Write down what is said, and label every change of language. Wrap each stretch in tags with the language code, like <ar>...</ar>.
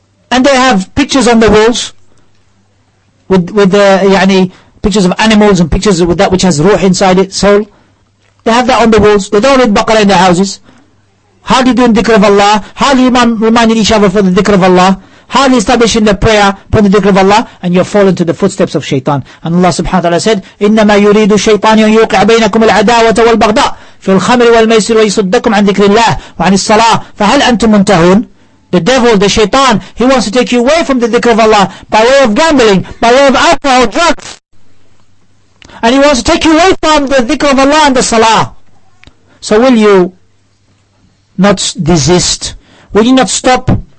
<en>And they have pictures on the walls. With pictures of animals and pictures with that which has ruh inside it, soul. They have that on the walls. They don't read Baqarah in their houses. Hardly doing dhikr of Allah, hardly reminding each other for the dhikr of Allah, hardly establishing the prayer for the dhikr of Allah, and you're falling to the footsteps of shaitan. And Allah subhanahu wa ta'ala said,</en> <ar>إِنَّمَا يُرِيدُ الشَّيْطَانِ أَنْ يُوقِعَ بَيْنَكُمْ الْعَدَاوَةَ وَالْبَغْضَاءَ فِي الْخَمْرِ وَالْمَيْسِرِ وَيَصُدَّكُمْ عَنْ ذِكْرِ اللَّهِ وَعَنِ الصَّلَاةِ فَهَلْ أَنْتُمْ مُنْتَهُونَ.</ar> <en>The devil, the shaitan, he wants to take you away from the dhikr of Allah by way of gambling, by way of alcohol, drugs. And he wants to take you away from the dhikr of Allah and the salah. So will you not desist? Will you not stop?</en>